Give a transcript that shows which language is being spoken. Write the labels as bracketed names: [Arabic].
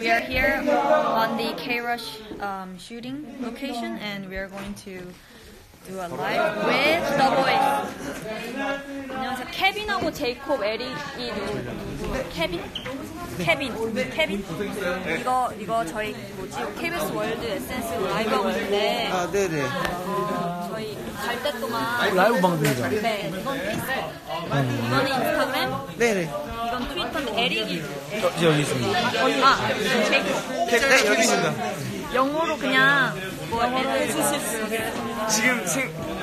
[English] We are here on the K-Rush shooting location and we are going to do a live with The Voice. [Korean] 안녕하세요. 케빈하고 제이콥 에릭이 케빈? 케빈. 케빈? 이거 저희 뭐지? KBS World SNS 라이브 하고 있는데. 아, 네네. 저희 갈 때 동안 라이브 방송이죠. 네. 이건 이거는 인스타그램? 네네. 트위터는 에릭이 여기 있습니다. 아, 제이콥. 네, 여기 있습니다. 영어로 그냥 영어로 해주실 수 있겠습니다. 지금